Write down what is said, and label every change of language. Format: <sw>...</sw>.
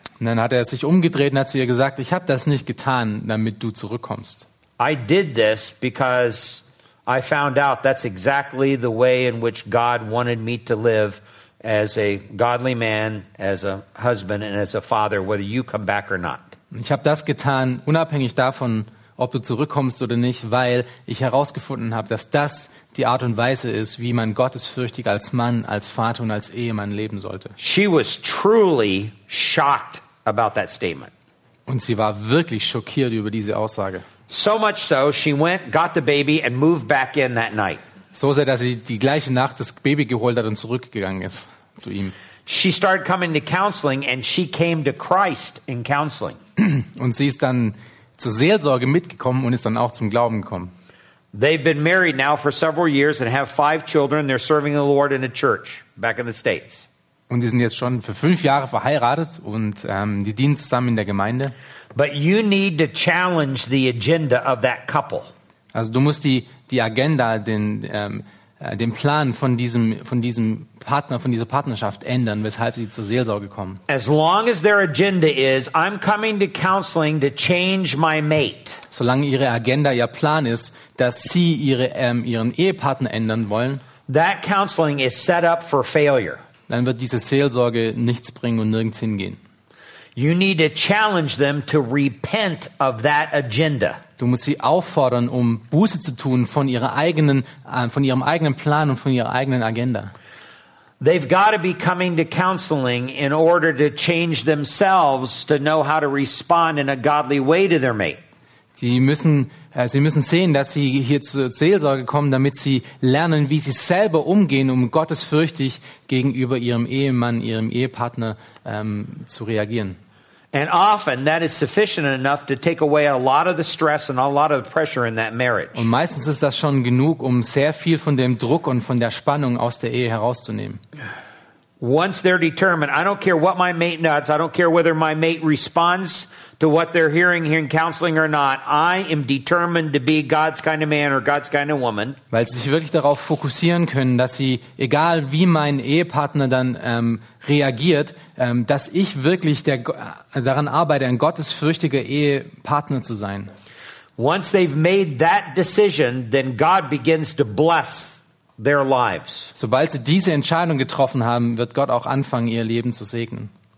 <de>Und dann hat er sich umgedreht und hat zu ihr gesagt, "Ich habe das nicht getan, damit du zurückkommst."</de> <en>"I did this because I found out that's exactly the way in which God wanted me to live as a godly man, as a husband and as a father, whether you come back or not."</en> <de>Ich habe das getan, unabhängig davon, ob du zurückkommst oder nicht, weil ich herausgefunden habe, dass das die Art und Weise ist, wie man gottesfürchtig als Mann, als Vater und als Ehemann leben sollte.</de> <en>She was truly shocked about that statement.</en> <de>Und sie war wirklich schockiert über diese Aussage.</de> <en>So much so, she went, got the baby and moved back in that night.</en> <de>So sehr, dass sie die gleiche Nacht das Baby geholt hat und zurückgegangen ist zu ihm.</de> <en>She started coming to counseling and she came to Christ in counseling.</en> <de>Und sie ist dann zur Seelsorge mitgekommen und ist dann auch zum Glauben gekommen.</de> <en>They've been married now for several years and have 5 children. They're serving the Lord in a church back in the States.</en> <de>Und die sind jetzt schon für 5 Jahre verheiratet und die dienen zusammen in der Gemeinde.</de> <en>But you need to challenge the agenda of that couple.</en> <de>Also du musst die Agenda, den Plan von diesem Partner, von dieser Partnerschaft ändern, weshalb sie zur Seelsorge kommen.</de> <en>As long as their agenda is, I'm coming to counseling to change my mate.</en> <de>Solange ihre Agenda, ihr Plan ist, dass sie ihren Ehepartner ändern wollen.</de> <en>That counseling is set up for failure.</en> <de>Dann wird diese Seelsorge nichts bringen und nirgends hingehen.</de> <en>You need to challenge them to repent of that agenda.</en> <de>Du musst sie auffordern, um Buße zu tun von ihrem eigenen Plan und von ihrer eigenen Agenda.</de> <en>They've got to be coming to counseling in order to change themselves to know how to respond in a godly way to their mate.</en> <de>Sie müssen sehen, dass sie hier zur Seelsorge kommen, damit sie lernen, wie sie selber umgehen, um gottesfürchtig gegenüber ihrem Ehemann, ihrem Ehepartner zu reagieren.</de> <en>And often that is sufficient enough to take away a lot of the stress and a lot of the pressure in that marriage.</en> <de>Und meistens ist das schon genug, um sehr viel von dem Druck und von der Spannung aus der Ehe herauszunehmen.</de> <en>Once they're determined, I don't care what my mate does, I don't care whether my mate responds to what they're hearing here in counseling or not, I am determined to be God's kind of man or God's kind of woman.</en> <de>Weil sie sich wirklich darauf fokussieren können, dass sie, egal wie mein Ehepartner dann reagiert, dass ich wirklich daran arbeite, ein gottesfürchtiger Ehepartner zu sein.</de> <en>Once they've made that decision, then God begins to bless their lives.</en> <de>Sobald sie diese Entscheidung getroffen haben, wird Gott auch anfangen, ihr Leben zu segnen.</de>